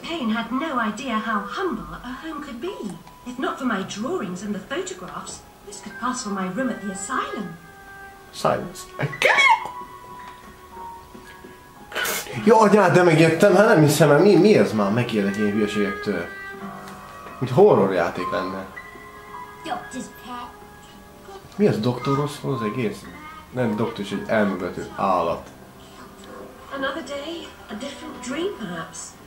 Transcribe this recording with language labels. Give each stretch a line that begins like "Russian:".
English: Payne had no idea how humble a home could be. If not for my drawings and the photographs, this could pass for my room at the asylum. Silence.
Hungarian: Jó, anyád, de megijedtem, hát nem hiszem, mert mi ez már megijedek ilyen hülyeségektől? Mint horror játék lenne. Mi az doktor rossz az egész? Nem doktor, egy elmebeteg állat.
English: Another day, a different dream perhaps.